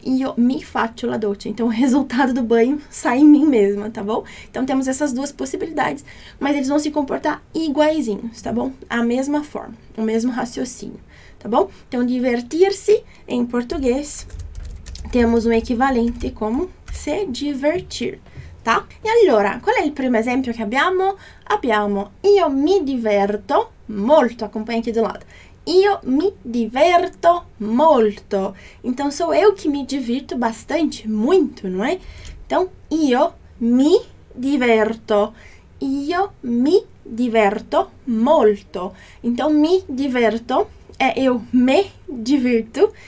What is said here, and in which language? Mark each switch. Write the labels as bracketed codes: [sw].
[it] Io mi faccio la doccia. [pt] Então, o resultado do banho sai em mim mesma, tá bom? Então, temos essas duas possibilidades, mas eles vão se comportar iguaizinhos, tá bom? A mesma forma, o mesmo raciocínio, tá bom? Então, divertir-se, em português, temos um equivalente como se divertir. Tá? [it] E allora, qual è il primo esempio che abbiamo? Abbiamo io mi diverto molto. Accompagna qui di lato. Io mi diverto molto. [pt] Então, sou eu que me divirto bastante, muito, não é? Então, [it] io mi diverto. Io mi diverto molto. [pt] Então, [it] mi diverto [pt] é eu me divirto.